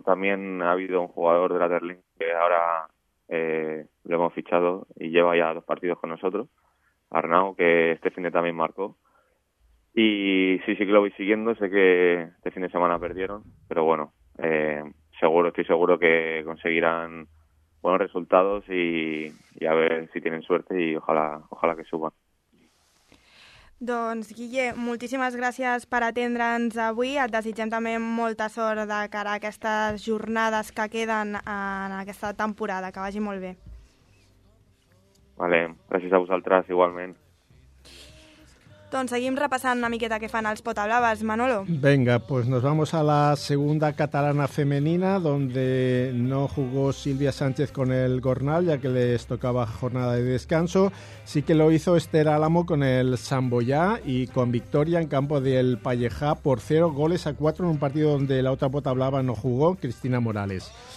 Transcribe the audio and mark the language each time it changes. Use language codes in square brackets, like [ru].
[es] También ha habido un jugador de la Terlenca que ahora lo hemos fichado y lleva ya dos partidos con nosotros, Arnau, que este fin de semana también marcó. Y sí, sí que lo voy siguiendo. Sé que este fin de semana perdieron, pero bueno, estoy seguro que conseguirán buenos resultados y a ver si tienen suerte y ojalá que suban. [ca] Doncs, Guille, moltíssimes gràcies per atendre'ns avui. Et desitgem també molta sort de cara a aquestes jornades que queden en aquesta temporada. Que vagi molt bé. Vale, gràcies a vosaltres igualment. Doncs seguim repassant una miqueta què fan els Potablaves, Manolo. [es] Venga, pues nos vamos a la segunda catalana femenina, donde no jugó Silvia Sánchez con el Gornal, ya que les tocaba jornada de descanso. Sí que lo hizo Esther Álamo con el Samboyá y con victoria en campo del Pallejá por 0-4 en un partido donde la otra Potablava no jugó, Cristina Morales.